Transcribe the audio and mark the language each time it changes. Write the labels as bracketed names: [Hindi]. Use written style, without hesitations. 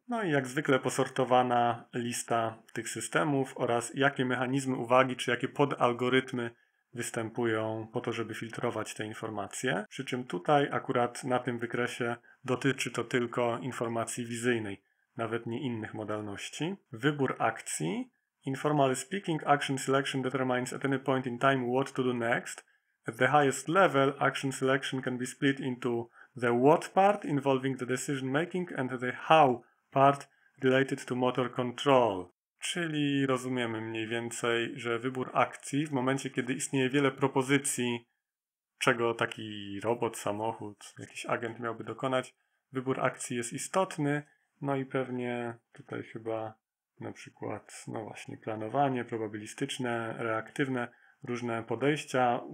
[Polish] No i jak zwykle posortowana lista tych systemów oraz jakie mechanizmy uwagi, czy jakie podalgorytmy występują po to, żeby filtrować te informacje. Przy czym tutaj akurat na tym wykresie dotyczy to tylko informacji wizyjnej, nawet nie innych modalności. Wybór akcji. [English] Informally speaking, action selection determines at any point in time what to do next. At the highest level, action selection can be split into the what part involving the decision making and the how part related to motor control. [Polish] Czyli rozumiemy mniej więcej, że wybór akcji w momencie, kiedy istnieje wiele propozycji, czego taki robot, samochód, jakiś agent miałby dokonać, wybór akcji jest istotny. No i pewnie tutaj chyba na przykład, no właśnie, planowanie probabilistyczne, reaktywne, różne podejścia.